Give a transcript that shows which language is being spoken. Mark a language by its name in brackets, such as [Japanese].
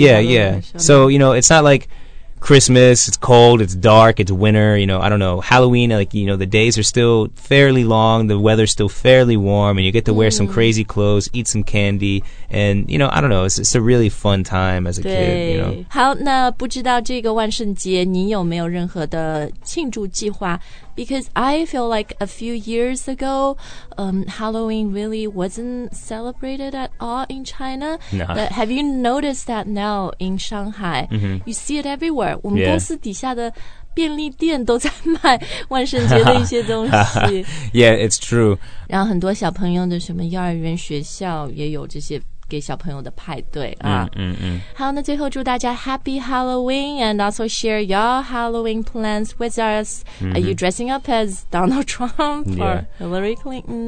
[English] Yeah, yeah. So you know, it's not like Christmas. It's cold. It's dark. It's winter. You know, I don't know. Halloween, like, you know, the days are still fairly long. The weather's still fairly warm, and you get to wear some crazy clothes, eat some candy, and you know, I don't know. It's a really fun time as a kid. You know. [Chinese] 好，那不知道这个万圣节你有没有任何的庆祝计划？ [English] Because I feel like a few years ago, Halloween really wasn't celebrated at all in China. No. But have you noticed that now in Shanghai? Mm-hmm. You see it everywhere. [Chinese] 我们公司底下的便利店都在卖万圣节的一些东西。 [English] Yeah, it's true. [Chinese] 然后很多小朋友的什么幼儿园、学校也有这些给小朋友的派对啊。好，那最后祝大家 [English] Happy Halloween and also share your Halloween plans with us. Are you dressing up as Donald Trump or Hillary Clinton?